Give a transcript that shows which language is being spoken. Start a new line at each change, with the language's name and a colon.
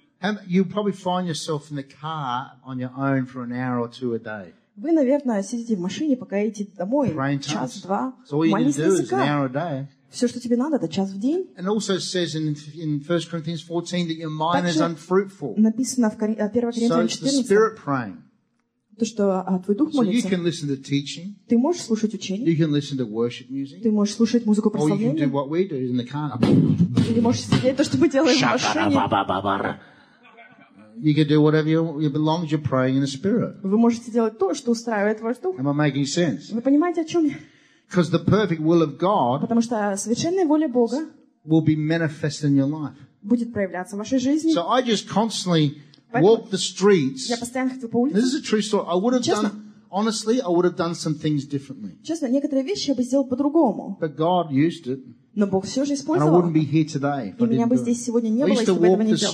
English: You probably find yourself in the car on your own for an hour or two a day.
Russian: Вы, наверное, сидите в машине, пока едете домой.
English: Pray in tongues.
Russian: Час-два.
English: So all you need to do is an hour a day.
Russian: Все, что тебе надо, это час в день.
English: And also says in 1 Corinthians 14 that your mind
Russian: Также
English: is unfruitful.
Russian: Написано в 1 Коринфянам 14.
English: So it's the Spirit praying.
Russian: То, что твой дух
English: so
Russian: молится.
English: You can listen to teaching.
Russian: Ты можешь слушать учение.
English: You can listen to worship music.
Russian: Ты можешь слушать музыку прославления.
English: Or you can do what we do in the car.
Russian: Или можешь сидеть то, что мы делаем в машине.
English: You can do whatever you belongs. You're praying in the spirit.
Russian: Вы можете делать то, что устраивает ваш дух.
English: Am I making sense?
Russian: Вы понимаете, о чем я?
English: Because the perfect will of God.
Russian: Потому что совершенная воля Бога.
English: Will be manifest in your life.
Russian: Будет проявляться в вашей жизни.
English: So I just constantly walk the streets.
Russian: Я постоянно ходил по улице.
English: This is a true story. I would have done, honestly, I would have done some things differently.
Russian: Честно, некоторые вещи я бы сделал по-другому.
English: But God used it.
Russian: Но Бог все же использовал.
English: And I wouldn't be here today.
Russian: И меня бы здесь сегодня не было, если бы этого не делал.